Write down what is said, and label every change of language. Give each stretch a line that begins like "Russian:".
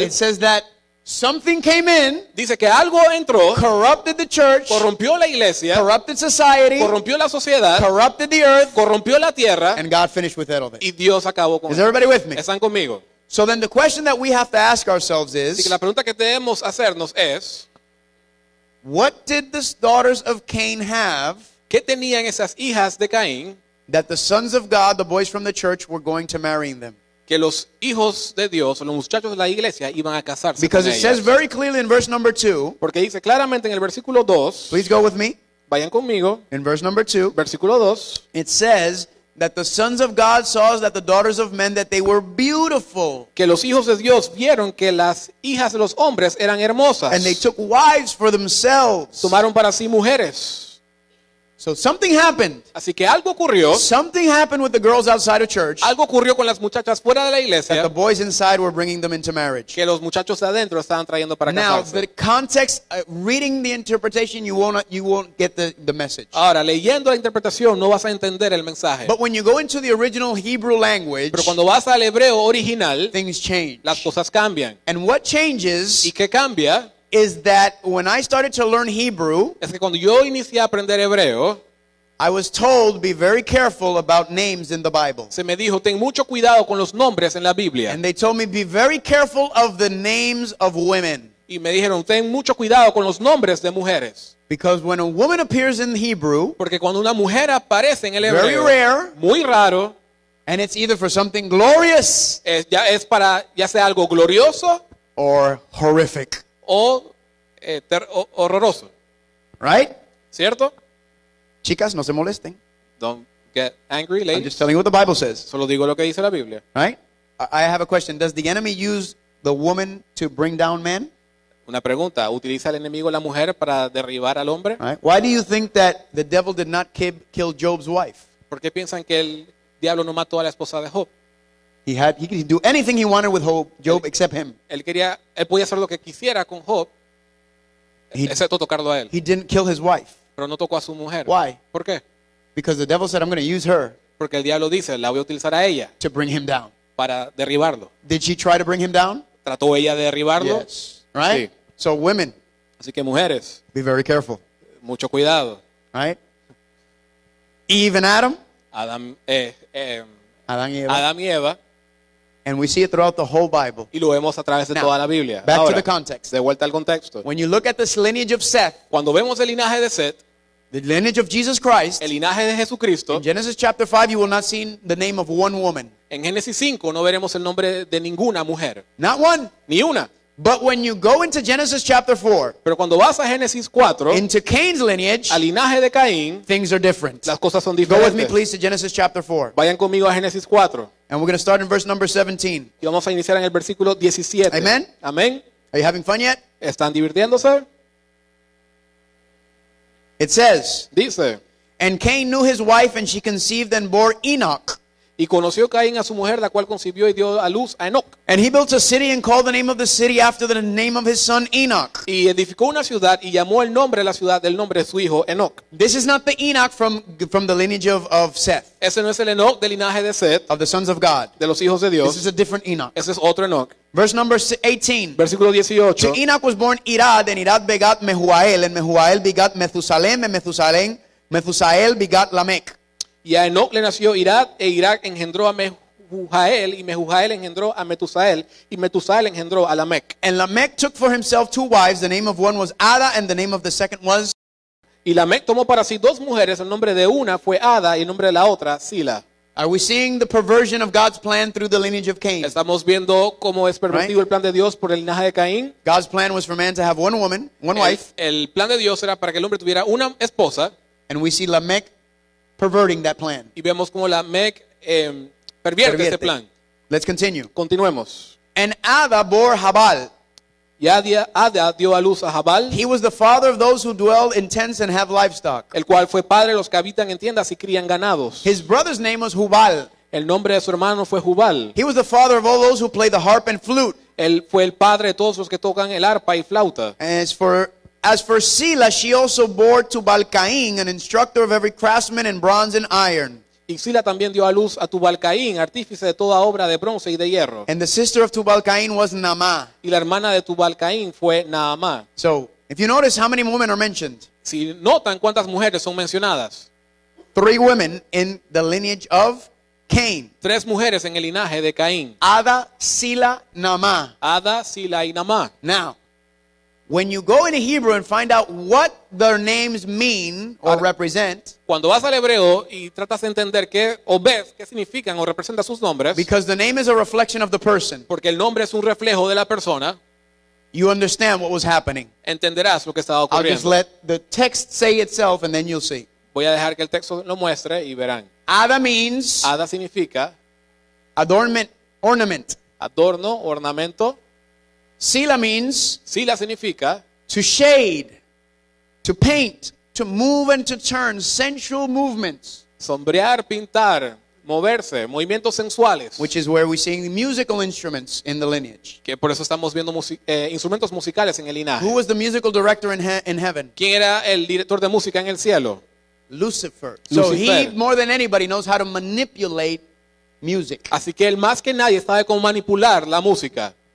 English: it says that something came in,
Spanish: dice que algo entró,
English: corrupted the church,
Spanish: corrompió la iglesia,
English: corrupted society,
Spanish: corrompió la sociedad,
English: corrupted the earth,
Spanish: corrompió la tierra,
English: and God finished with it all.
Spanish: Y Dios acabó con él.
English: Is everybody with me?
Spanish: ¿Están conmigo?
English: So then the question that we have to ask ourselves is,
Spanish: así que la pregunta que debemos hacernos es,
English: what did the daughters of Cain have,
Spanish: ¿qué tenían esas hijas de Caín,
English: that the sons of God, the boys from the church, were going to marry them?
Spanish: Que los hijos de Dios, los muchachos de la iglesia, iban a casarse
English: because
Spanish: con
English: it
Spanish: ellas.
English: Says very clearly in verse number 2.
Spanish: Porque dice claramente en el versículo 2.
English: Please go with me.
Spanish: Vayan conmigo.
English: In verse number 2.
Spanish: Versículo 2.
English: It says that the sons of God saw that the daughters of men, that they were beautiful.
Spanish: Que los hijos de Dios vieron que las hijas de los hombres eran hermosas.
English: And they took wives for themselves.
Spanish: Tomaron para sí mujeres.
English: So something happened.
Spanish: Así que algo ocurrió.
English: Something happened with the girls outside of church.
Spanish: Algo ocurrió con las muchachas fuera de la iglesia.
English: That the boys inside were bringing them into marriage.
Spanish: Que los muchachos adentro estaban trayendo para
English: now,
Spanish: casarse.
English: Now the context, reading the interpretation, you won't get the message.
Spanish: Ahora leyendo la interpretación no vas a entender el mensaje.
English: But when you go into the original Hebrew language,
Spanish: pero cuando vas al hebreo original,
English: things change.
Spanish: Las cosas cambian.
English: And what changes?
Spanish: ¿Y qué cambia?
English: Is that when I started to learn Hebrew,
Spanish: es que cuando yo inicié a aprender hebreo,
English: I was told be very careful about names in the Bible.
Spanish: Se me dijo, ten mucho cuidado con los nombres en la Biblia.
English: And they told me be very careful of the names of women.
Spanish: Y me dijeron, ten mucho cuidado con los nombres de mujeres.
English: Because when a woman appears in Hebrew,
Spanish: porque cuando una mujer aparece en el hebreo,
English: very rare,
Spanish: muy raro,
English: and it's either for something glorious,
Spanish: es para ya sea algo glorioso,
English: or horrific.
Spanish: Horroroso.
English: Right?
Spanish: ¿Cierto? Chicas, no se molesten.
English: Don't get angry, ladies. I'm just telling you what the Bible says.
Spanish: Solo digo lo que dice la Biblia.
English: Right? I have a question. Does the enemy use the woman to bring down men?
Spanish: Una pregunta. ¿Utiliza el enemigo la mujer para derribar al hombre?
English: Right? Why do you think that the devil did not kill Job's wife?
Spanish: ¿Por qué piensan que el diablo no mató a la esposa de Job?
English: He could do anything he wanted with Job except him.
Spanish: Él quería, él podía hacer lo que quisiera con Job, excepto tocarlo a él.
English: He didn't kill his wife.
Spanish: Pero no tocó a su mujer.
English: Why?
Spanish: ¿Por qué?
English: Because the devil said, I'm going to use her.
Spanish: Porque el diablo dice, la voy a utilizar a ella.
English: To bring him down.
Spanish: Para derribarlo.
English: Did she try to bring him down?
Spanish: ¿Trató ella de derribarlo?
English: Yes. Right?
Spanish: Sí.
English: So women.
Spanish: Así que mujeres.
English: Be very careful.
Spanish: Mucho cuidado.
English: Right? Eve and Adam.
Spanish: Adam y Eva. Adam y Eva.
English: And we see it throughout the whole Bible.
Spanish: Y lo vemos a través de
English: Now,
Spanish: toda la Biblia.
English: Back
Spanish: Ahora,
English: to the context.
Spanish: De vuelta al contexto.
English: When you look at this lineage of Seth,
Spanish: cuando vemos el linaje de Seth,
English: the lineage of Jesus Christ,
Spanish: el linaje de Jesucristo,
English: in Genesis chapter 5, you will not see the name of one woman.
Spanish: En Génesis 5 no veremos el nombre de ninguna mujer.
English: Not one.
Spanish: Ni una.
English: But when you go into Genesis chapter 4,
Spanish: pero cuando vas a Génesis 4,
English: into Cain's lineage,
Spanish: al linaje de Caín,
English: things are different.
Spanish: Las cosas son diferentes.
English: Go with me, please, to Genesis chapter 4.
Spanish: Vayan conmigo a Génesis 4.
English: And we're going to start in verse number 17.
Spanish: Y vamos a iniciar en el versículo 17.
English: Amen.
Spanish: Amen.
English: Are you having fun yet?
Spanish: ¿Están divirtiéndose?
English: It says,
Spanish: dice,
English: and Cain knew his wife, and she conceived and bore Enoch.
Spanish: Y conoció Caín a su mujer, la cual concibió y dio a luz a Enoch.
English: And he built a city and called the name of the city after the name of his son Enoch.
Spanish: Y edificó una ciudad y llamó el nombre de la ciudad del nombre de su hijo Enoch.
English: This is not the Enoch from the lineage of Seth.
Spanish: Ese no es el Enoch del linaje de Seth.
English: Of the sons of God.
Spanish: De los hijos de Dios.
English: This is a different Enoch.
Spanish: Ese es otro Enoch.
English: Verse number 18.
Spanish: Versículo 18.
English: To Enoch was born Irad, and Irad begat Mehuael, and Mehuael begat Methusalem, and Methusalem, Methusael begat Lamech.
Spanish: Y a Enoch le nació Irad, e Irad engendró a Mehujael, y Mehujael engendró a Metusael, y Metusael engendró a Lamech.
English: And Lamech took for himself two wives, the name of one was Ada, and the name of the second was...
Spanish: Y Lamech tomó para sí dos mujeres, el nombre de una fue Ada, y el nombre de la otra, Sila.
English: Are we seeing the perversion of God's plan through the lineage of Cain?
Spanish: Estamos viendo cómo es pervertido el plan de Dios por el linaje de Caín.
English: God's plan was for man to have one woman, one wife.
Spanish: El plan de Dios era para que el hombre tuviera una esposa.
English: And we see Lamech perverting that plan.
Spanish: Y vemos cómo Lamech pervierte este plan.
English: Let's continue.
Spanish: Continuemos.
English: And Ada bore Jabal.
Spanish: Y Ada dio a luz a Jabal.
English: He was the father of those who dwell in tents and have livestock.
Spanish: El cual fue padre de los que habitan en tiendas y crían ganados.
English: His brother's name was Jubal.
Spanish: El nombre de su hermano fue Jubal.
English: He was the father of all those who play the harp and flute.
Spanish: Él fue el padre de todos los que tocan el arpa y flauta.
English: As for Sila, she also bore Tubal-Caín, an instructor of every craftsman in bronze and iron.
Spanish: Y Sila también dio a luz a Tubal-Caín, artífice de toda obra de bronce y de hierro.
English: And the sister of Tubal-Caín was Naamah.
Spanish: Y la hermana de Tubal-Caín fue Naamah.
English: So, if you notice how many women are mentioned.
Spanish: Si notan cuántas mujeres son mencionadas.
English: Three women in the lineage of Cain.
Spanish: Tres mujeres en el linaje de Caín.
English: Ada, Sila, Naamah.
Spanish: Ada, Sila y Naamah.
English: Now, when you go into Hebrew and find out what their names mean or represent,
Spanish: cuando vas al hebreo y tratas de entender qué o ves qué significan o representan sus nombres,
English: because the name is a reflection of the person,
Spanish: porque el nombre es un reflejo de la persona,
English: you understand what was happening.
Spanish: Entenderás lo que estaba ocurriendo.
English: I'll just let the text say itself and then you'll see.
Spanish: Voy a dejar que el texto lo muestre y verán.
English: Ada means
Spanish: Ada significa
English: adornment, ornament.
Spanish: Adorno, ornamento.
English: Sila means
Spanish: Sila significa
English: to shade, to paint, to move and to turn, sensual movements.
Spanish: Sombrear, pintar, moverse, movimientos sensuales.
English: Which is where we're seeing the musical instruments in the lineage.
Spanish: Que por eso estamos viendo instrumentos musicales en el linaje.
English: Who was the musical director in heaven?
Spanish: ¿Quién era el director de música en el cielo?
English: Lucifer.
Spanish: Lucifer.
English: So he, more than anybody, knows how to manipulate music.
Spanish: Así que él más que nadie sabe cómo manipular la música.